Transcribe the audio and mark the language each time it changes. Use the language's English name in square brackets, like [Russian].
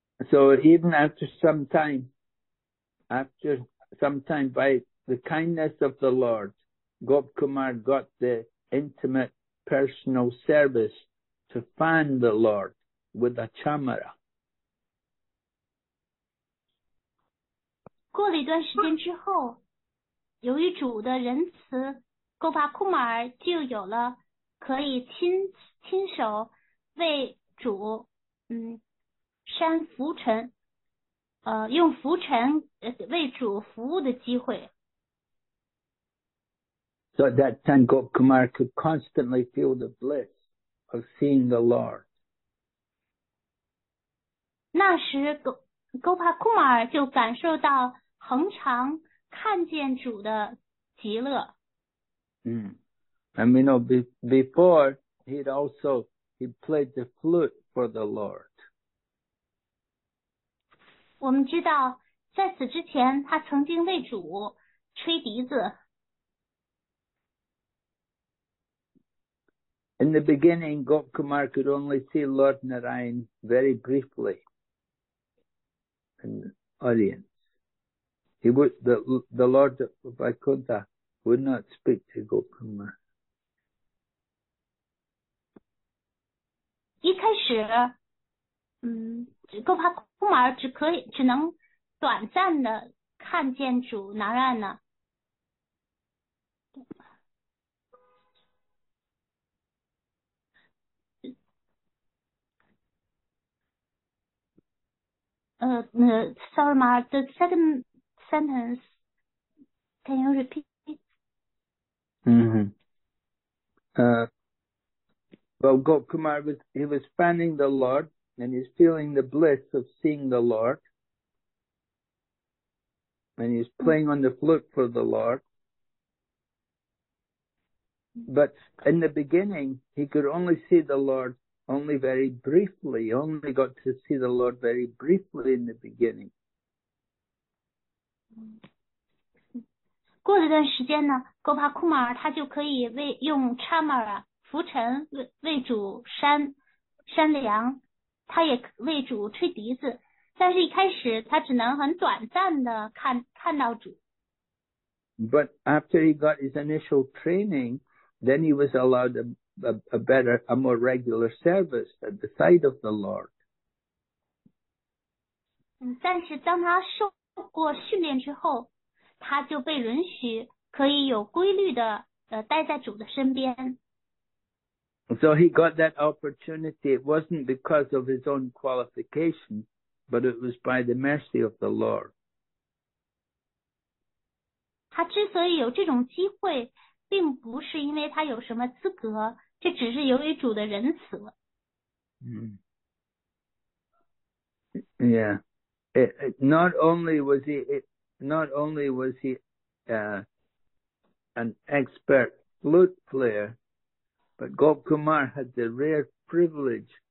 [English] So even after some time, by the kindness of the Lord, Gop Kumar got the intimate personal service to fan the Lord with a chamara. [Chinese] 过了一段时间之后，由于主的仁慈，戈巴库马尔就有了可以亲手为主扇拂尘，用拂尘为主服务的机会。 [English] So at that time, Gop Kumar could constantly feel the bliss of seeing the Lord. [Chinese] 那时戈巴库马尔就感受到恒常看见主的极乐。 [English] And we know before he played the flute for the Lord. [Chinese] 我们知道在此之前他曾经为主吹笛子。 [English] In the beginning, Gop Kumar could only see Lord Narayan very briefly in the audience. The Lord of Vaikuntha would not speak to Gop Kumar. [Chinese] 一开始，戈帕库马尔只能短暂的看见主拿案呢。 [English] Sorry, Mar, the second sentence. Can you repeat? Well, Gop Kumar was fanning the Lord, and he's feeling the bliss of seeing the Lord, and he's playing on the flute for the Lord. But in the beginning, he could only see the Lord only very briefly, only got to see the Lord very briefly in the beginning. [Chinese] 过了段时间呢，哥帕库马尔他就可以为用查马尔浮尘为主扇凉，他也为主吹笛子，但是一开始他只能很短暂的看到主。 [English] But after he got his initial training, then he was allowed a more regular service at the side of the Lord. [Chinese] 但是当他受过训练之后，他就被允许可以有规律的待在主的身边。 [English] So he got that opportunity. It wasn't because of his own qualification, but it was by the mercy of the Lord. [Chinese] 他之所以有这种机会，并不是因为他有什么资格，这只是由于主的仁慈。 Mm. [English] Not only was he an expert flute player, but Gop Kumar had the rare privilege.